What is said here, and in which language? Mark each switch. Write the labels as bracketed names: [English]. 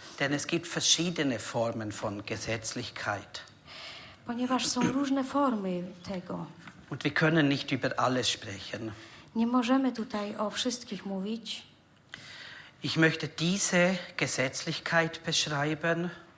[German] Denn es gibt verschiedene Formen von Gesetzlichkeit. [Polish] Ponieważ są różne formy tego. [German] Und wir können nicht über alles sprechen. [Polish] Nie możemy tutaj o wszystkich mówić. [German] Ich möchte diese Gesetzlichkeit beschreiben.